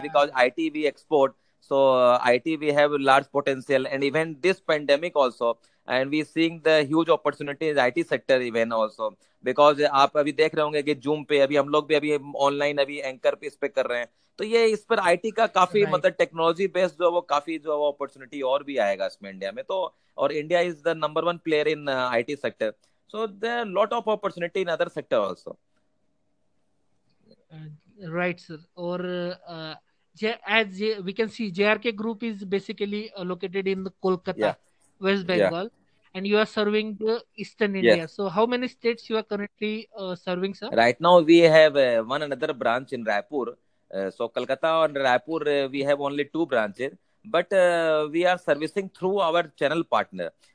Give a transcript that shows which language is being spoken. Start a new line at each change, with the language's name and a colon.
English: Because IT we export, so IT we have large potential, and even this pandemic also, and we seeing the huge opportunity in IT sector even also, because aap abhi dekh rahe honge ki Zoom pe abhi hum log bhi abhi online abhi anchor pe is pe kar rahe hain.
Hindi: तो ये इस पर IT का काफी
English: right.
Hindi: मतलब technology based जो है वो अपॉर्चुनिटी और भी आएगा इसमें इंडिया में. तो और
English: India is the number one player in IT sector, so there are lot of opportunity in other sector also. Right sir. और as we can see JRK group is basically located in Kolkata West Bengal and you are serving the eastern India. So how many states you are currently serving sir? Right now we have one another branch in Raipur. So Kolkata and Raipur, we have only two branches, but we are servicing through our channel partner.